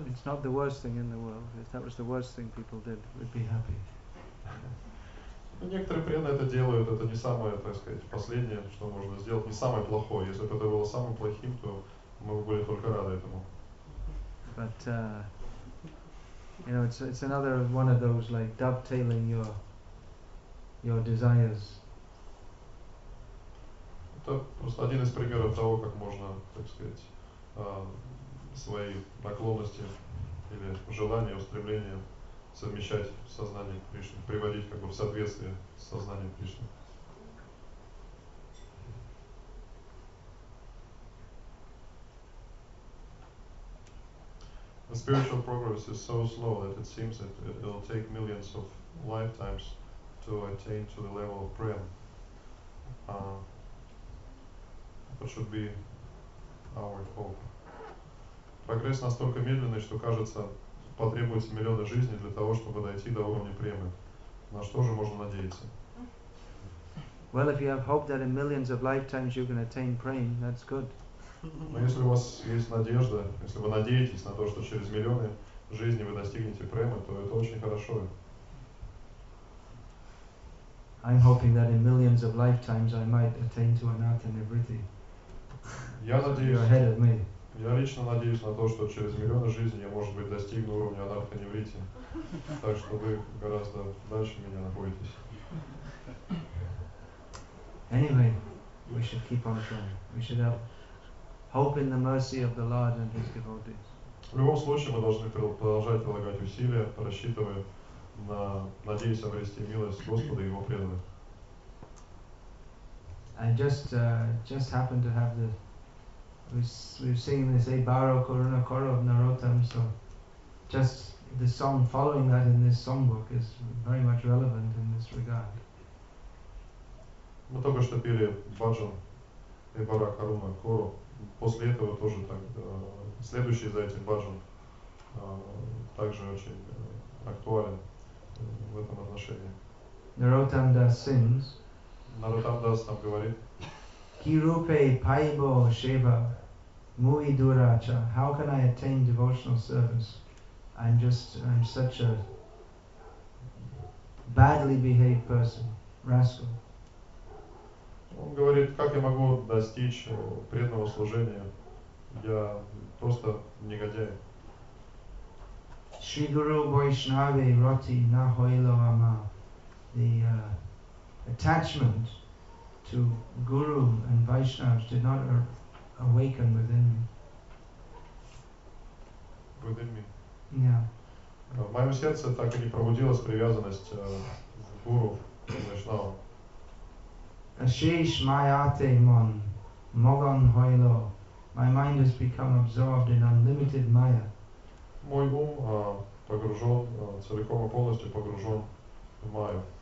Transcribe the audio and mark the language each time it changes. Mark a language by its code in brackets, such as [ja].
[en] It's not the worst thing in the world. If that was the worst thing people did, we'd be happy. [ru] Некоторые преданные это делают. Это не самое, так сказать, последнее, что можно сделать. Не самое плохое. Если бы это было самым плохим, то мы бы были только рады этому. [en] But You know, it's another one of those like dovetailing your desires. [ru] Это просто один из примеров того, как можно, так сказать, свои наклонности или желания, устремления совмещать в сознании Кришны, приводить как бы в соответствие с сознанием Кришны. [en] The spiritual progress is so slow that it seems that it will take millions of lifetimes to attain to the level of prem. What should be our hope? [ru] Прогресс настолько медленный, что кажется, потребуется миллионы жизней для того, чтобы дойти до уровня премы. На что же можно надеяться? [en] Well, if you have hope that in millions of lifetimes you can attain prem, that's good. [ru] Но если у вас есть надежда, если вы надеетесь на то, что через миллионы жизней вы достигнете премы, то это очень хорошо. [en] I'm hoping that in millions of lifetimes I might attain to anatta nivritti. [ru] Я надеюсь. [en] You're ahead of me. [ru] Я лично надеюсь на то, что через миллионы жизней я, может быть, достигну уровня анатта нивритти. Так что вы гораздо дальше меня находитесь. [en] Anyway, we should keep on trying. We should have hope in the mercy of the Lord and His devotees. [ru] В любом случае, мы должны продолжать прилагать усилия, рассчитывая на, надеясь обрести милость Господа и Его преданных. [en] I just happened to have the we're singing this Ebaro Karuna Koro of Narottam, so just the song following that in this songbook is very much relevant in this regard. [ru] Мы только что пели Баджан Ебаро Карума Коро. После этого тоже так, следующий за этим Баджан также очень актуален в этом отношении. [en] Narottam Das sings. [ru] Narottam Das там говорит. [bn] Kirupe paibo sheva muy duracha. [en] How can I attain devotional service? I'm such a badly behaved person, rascal. [ru] Он говорит, как я могу достичь преданного служения? Я просто негодяй. [bn] Shri Guru Vaishnavi Roti Nahoilo Ama. [en] The attachment to Guru and Vaishnavas did not awaken within me. Within me? Yeah. [ru] В моем сердце так и не пробудилась привязанность к Гуру и Вайшнава. [bn] Ashish mayate mon mogon hoilo. [en] My mind has become absorbed in unlimited maya. [ru] Мой ум погружен, целиком и полностью погружен в майю.